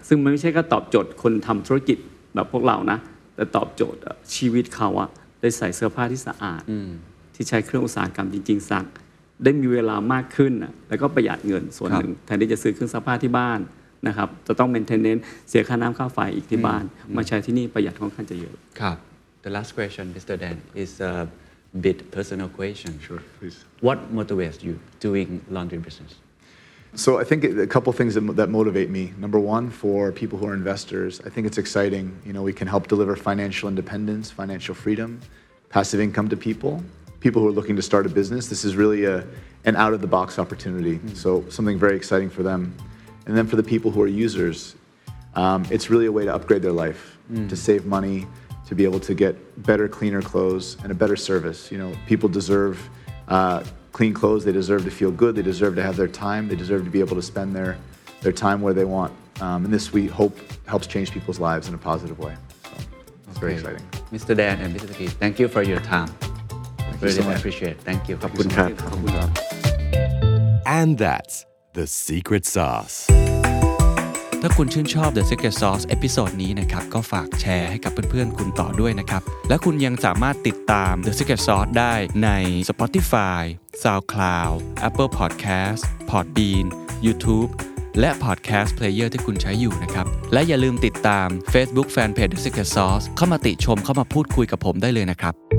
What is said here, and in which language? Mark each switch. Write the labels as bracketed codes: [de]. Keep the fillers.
[th] ซึ่งมันไม่ใช่แค่ตอบโจทย์คนทำธุรกิจแบบพวกเรานะ แต่ตอบโจทย์อะชีวิตเขาอะได้ใส่เสื้อผ้าที่สะอาด ที่ใช้เครื่องอุตสาหกรรมจริง ๆ สัก ได้มีเวลามากขึ้นอะแล้วก็ประหยัดเงินส่วนหนึ่งแทนที่จะซื้อเครื่องซักผ้าที่บ้านนะครับ จะต้อง maintenance เสียค่าน้ำค่าไฟอีกที่บ้าน มาใช้ที่นี่ประหยัดค่อนข้างจะเยอะ [en] ครับ The last question Mr. Dan is a bit personal question Sure, please. What motivates you doing laundry business So I think a couple things that, that motivate me. Number one, for people who are investors, I think it's exciting. You know, we can help deliver financial independence, financial freedom, passive income to people. People who are looking to start a business, this is really a, an out of the box opportunity. So something very exciting for them. And then for the people who are users, um, it's really a way to upgrade their life, to save money, to be able to get better, cleaner clothes and a better service. You know, people deserve uh, clean clothes. They deserve to feel good. They deserve to have their time. They deserve to be able to spend their their time where they want. Um, and this, we hope, helps change people's lives in a positive way. So it's very Okay. exciting. Mr. Dan and Mr. Key Thank you for your time you so Really much. appreciate Thank you [th] ขอบคุณ [en] Thank you so [th] ครั [en] much. [th] ขอบคุณครับ [en] And that's the secret sauce. [th] ถ้าคุณชื่นชอบ The Secret Sauce เอพิโซดนี้นะครับ ก็ฝากแชร์ให้กับเพื่อนๆ คุณต่อด้วยนะครับ และคุณยังสามารถติดตาม The Secret Sauce ได้ใน Spotify SoundCloud Apple Podcast Podbean YouTube และ Podcast Player ที่คุณใช้อยู่นะครับ และอย่าลืมติดตาม Facebook Fanpage The Secret Sauce เข้ามาติชมเข้ามาพูดคุยกับผมได้เลยนะครับ